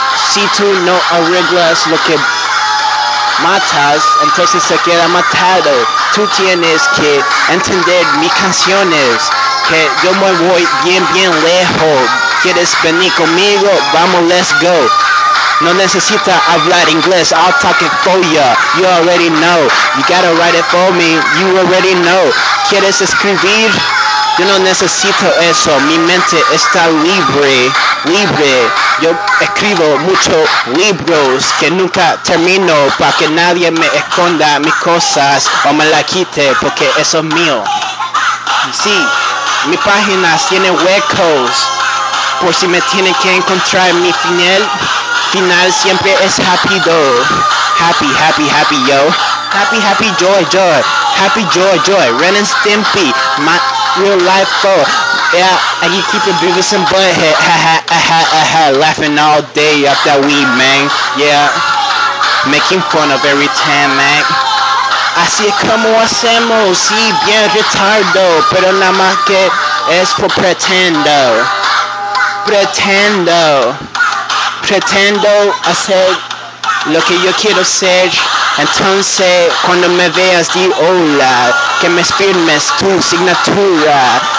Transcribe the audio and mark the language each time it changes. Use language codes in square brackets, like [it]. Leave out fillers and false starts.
[es] Si tú no arreglas lo que matas, entonces se queda matado. Tú tienes que entender mis canciones, que yo me voy bien lejos. ¿Quieres venir conmigo? Vamos, [en] let's go. [es] No necesita hablar inglés, [en] I'll talk it for ya. You already know. You gotta write it for me, you already know. [es] ¿Quieres escribir? Yo no necesito eso, mi mente está libre. Yo escribo muchos libros que nunca termino, pa' que nadie me esconda mis cosas o me la quite, porque eso es mío. Sí, mis páginas tienen huecos, por si me tienen que encontrar mi final. Final siempre es [en] happy though. Happy [es] yo. [en] Happy joy. Happy joy. Ren and Stimpy, my real life foe. Yeah, I keep it Beavis and Butthead. Ha ha ha ha ha ha. Laughing all day off that weed, man. Yeah. Making fun of every time, man. [es] Así es como hacemos. Sí, bien retardo. Pero nada más que es por pretendo. Pretendo. Pretendo hacer lo que yo quiero ser. Entonces, cuando me veas, di hola, que me firmes tu signatura.